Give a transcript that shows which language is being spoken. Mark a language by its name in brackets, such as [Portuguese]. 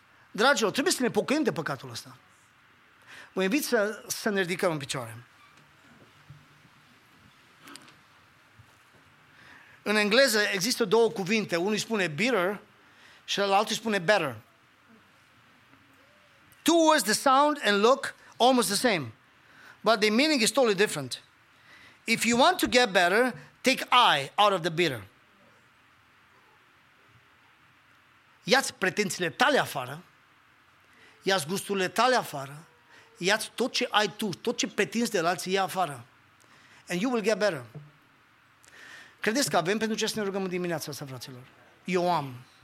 [Romanian] Dragilor, trebuie să ne pocăim de păcatul ăsta. Mă invit să ne ridicăm în picioare. În engleză există două cuvinte. Unul spune bitter și altul spune better. [English] Two words, the sound and look, almost the same. But the meaning is totally different. If you want to get better, take I out of the bitter. [Romanian] Ia-ți pretențiile tale afară, ia-ți gusturile tale afară, ia-ți tot ce ai tu, tot ce pretinzi de la alții, ia afară. [English] And you will get better. [Romanian] Credeți că avem pentru ce să ne rugăm în dimineața asta, fraților? Eu am.